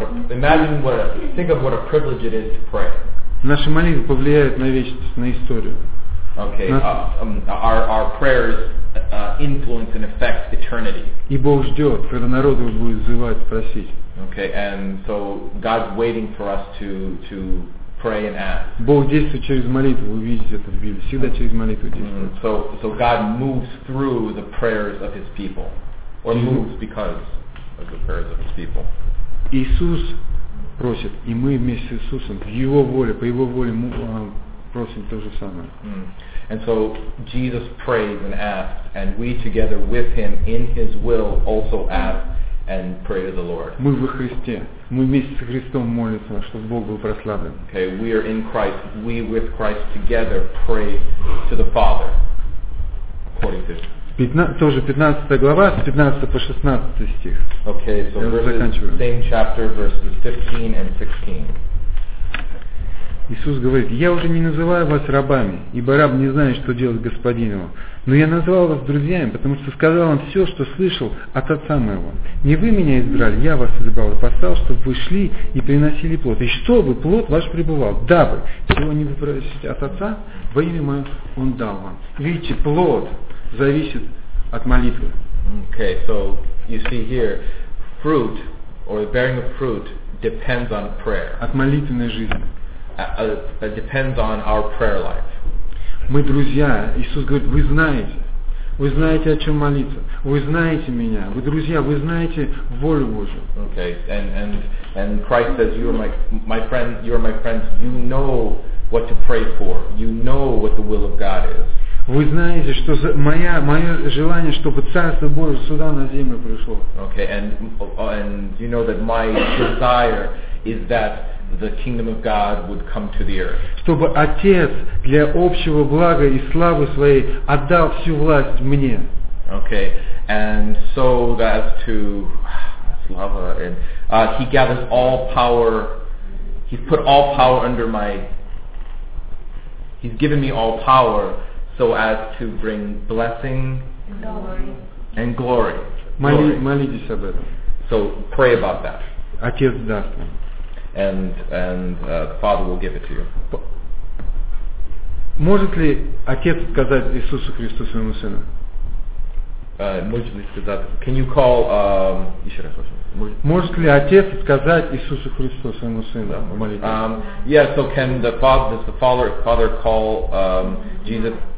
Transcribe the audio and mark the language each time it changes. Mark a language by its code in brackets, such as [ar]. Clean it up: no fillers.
[en] Think of what a privilege it is to pray. [ru] Наши молитвы повлияют на вечность, на историю. [en] Okay. Our prayers influence and affect eternity. [ru] И Бог ждет, когда народ его будет взывать, просить. [en] Okay. And so God's waiting for us to pray and ask. [ru] Бог действует через молитву, вы видите это в Библии. Всегда через молитву действует. Mm-hmm. [en] So God moves through the prayers of his people. Or moves because of the prayers of his people. [ru] Иисус просит, и мы вместе с Иисусом, в Его воле, по Его воле мы просим то же самое. Mm-hmm. [en] And so Jesus prays and asks, and we together with him in his will also ask and pray to the Lord. [ru] Мы во Христе. Мы вместе с Христом молимся, чтобы Бог был прославлен. [en] Okay, we are in Christ. We with Christ together pray to the Father. According to... [ru] 15 глава, с 15 по 16 стих. [en] Okay, so verses, same chapter, verses 15 and 16. [ru] Иисус говорит, я уже не называю вас рабами, ибо раб не знает, что делать господин его. Но я назвал вас друзьями, потому что сказал вам все, что слышал от отца моего. Не вы меня избрали, я вас избрал и послал, чтобы вы шли и приносили плод. И чтобы плод ваш пребывал, дабы чего не выпросите от отца, во имя мое он дал вам. Видите, плод зависит от молитвы. [en] Okay, so you see here, fruit or the bearing of fruit depends on prayer. [ru] От молитвенной жизни. [en] It depends on our prayer life. [ru] Мы друзья. Иисус говорит, вы знаете. Вы знаете, о чем молиться. Вы знаете меня. Вы друзья. Вы знаете волю Божию. [en] Okay, and Christ says, you are my friend. You are my friends. You know what to pray for. You know what the will of God is. [ru] Вы знаете, что мое желание, чтобы Царство Божие сюда на землю пришло. [en] Okay, and you know that my desire is that the kingdom of God would come to the earth. [ru] Чтобы Отец для общего блага и славы своей отдал всю власть мне. [en] Okay, and so that to slava and he gathers all power. He's put all power under my. He's given me all power. So as to bring blessing and glory. [ru] Молитесь об этом. [en] So pray about that. [ru] Отец даст вам. [en] And the Father will give it to you. [ru] Может ли Отец сказать Иисусу Христу своему сыну? Может ли сказать? [en] Can you call? [ru] Еще раз. Может ли Отец сказать Иисусу Христу своему сыну в молитве? [en] Yes. So can the Father? Does the Father call Jesus?